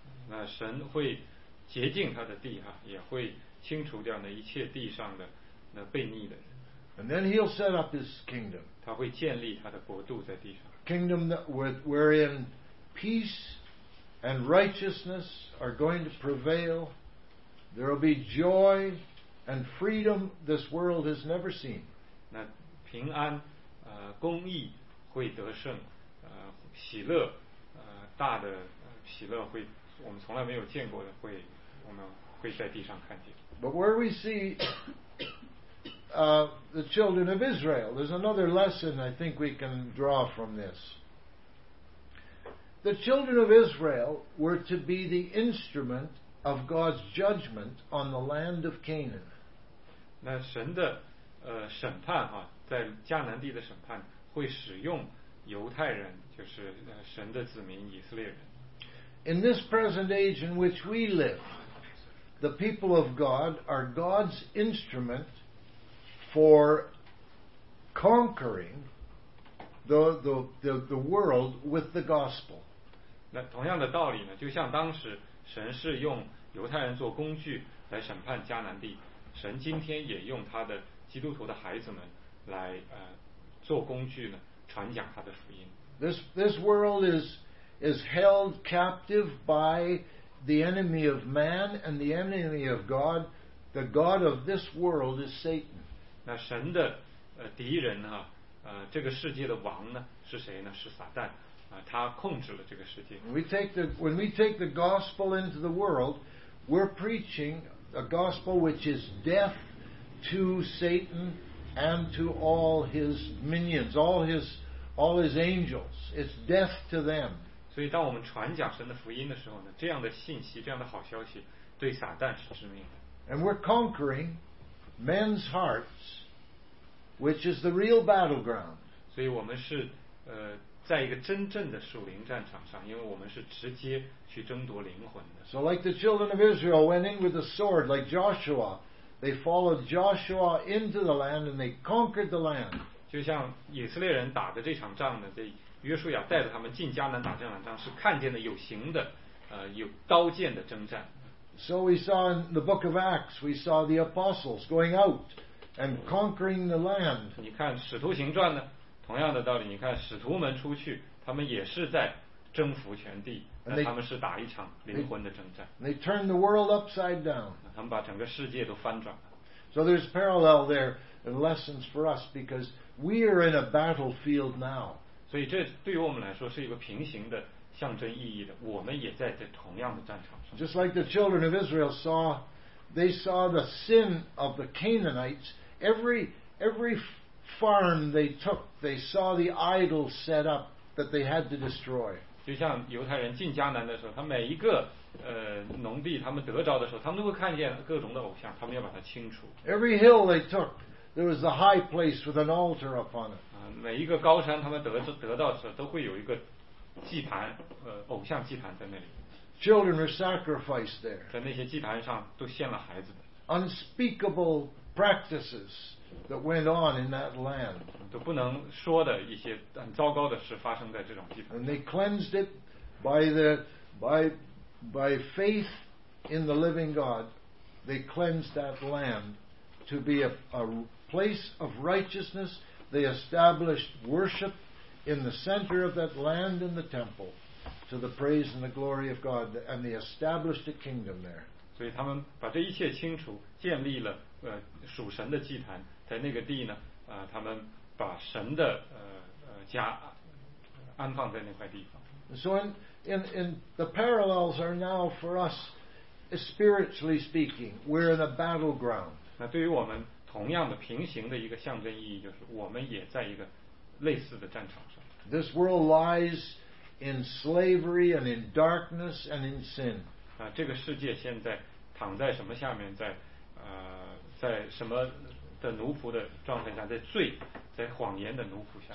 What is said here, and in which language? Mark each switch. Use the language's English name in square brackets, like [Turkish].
[Chinese] 那神会洁净他的地哈，也会清除掉那一切地上的那悖逆的人。 [English] And then He'll set up His kingdom. [Chinese] 他会建立他的国度在地上。 [English] Kingdom that wherein peace and righteousness are going to prevail. There will be joy and freedom this world has never seen. [Chinese] 那平安，公义会得胜，喜乐，大的喜乐会我们从来没有见过的，会我们会在地上看见。 [English] But where we see the children of Israel, there's another lesson I think we can draw from this. The children of Israel were to be the instrument. Of God's judgment on the land of Canaan. [Chinese] 那神的审判哈，在迦南地的审判会使用犹太人，就是神的子民以色列人。 [English] In this present age in which we live, the people of God are God's instrument for conquering the world with the gospel. [Chinese] 那同样的道理呢，就像当时神是用犹太人做工具来审判迦南地，神今天也用他的基督徒的孩子们来做工具呢，传讲他的福音。 [English] This world is held captive by the enemy of man and the enemy of God. The God of this world is Satan. [Chinese] 那神的敌人呢、啊？这个世界的王呢是谁呢？是撒旦。他控制了这个世界。 [English] When we take the gospel into the world, we're preaching a gospel which is death to Satan and to all his minions, all his angels. It's death to them. [Chinese] 所以当我们传讲神的福音的时候呢，这样的信息，这样的好消息，对撒旦是致命的。 [English] And we're conquering men's hearts, which is the real battleground. [Chinese] 所以我们是在一个真正的属灵战场上，因为我们是直接去争夺灵魂的。 [English] So like the children of Israel went in with a sword, like Joshua, they followed Joshua into the land and they conquered the land. [Chinese] 就像以色列人打的这场仗呢，这约书亚带着他们进迦南打这场仗，是看见了有形的，有刀剑的征战。 [English] So we saw in the book of Acts, we saw the apostles going out and conquering the land. [Chinese] 你看《使徒行传》呢？同样的道理，你看使徒们出去，他们也是在征服全地，那他们是打一场灵魂的征战。 [English] They turned the world upside down. [Chinese] 他们把整个世界都翻转了。 [English] So there's parallel there and lessons for us because we are in a battlefield now. [Chinese] 所以这对于我们来说是一个平行的象征意义的，我们也在这同样的战场上。 [English] Just like the children of Israel saw, they saw the sin of the Canaanites. Every farm they took, they saw the idols set up that they had to destroy. [Chinese] 就像犹太人进迦南的时候，他每一个农地他们得着的时候，他们都会看见各种的偶像，他们要把它清除。 [English] Every hill they took, there was a high place with an altar upon it. [Chinese] 每一个高山他们得到的时候，都会有一个祭坛，偶像祭坛在那里。 [English] Children were sacrificed there. [Chinese] 在那些祭坛上都献了孩子们。 [English] Unspeakable practices. That went on in that land. [Chinese] 都不能说的一些很糟糕的事发生在这种地方。 [English] And they cleansed it by faith in the living God. They cleansed that land to be a place of righteousness. They established worship in the center of that land in the temple to the praise and the glory of God. And they established a kingdom there. [Chinese] 所以他们把这一切清除，建立了属神的祭坛。在那个地呢，他们把神的家安放在那块地方。 [English] So in the parallels are now for us, spiritually speaking, we're in a battleground. [Chinese] 那对于我们同样的平行的一个象征意义，就是我们也在一个类似的战场上。 [English] This world lies in slavery and in darkness and in sin. [Chinese] 这个世界现在躺在什么下面，在什么？的奴仆的状态下，在罪，在谎言的奴仆下。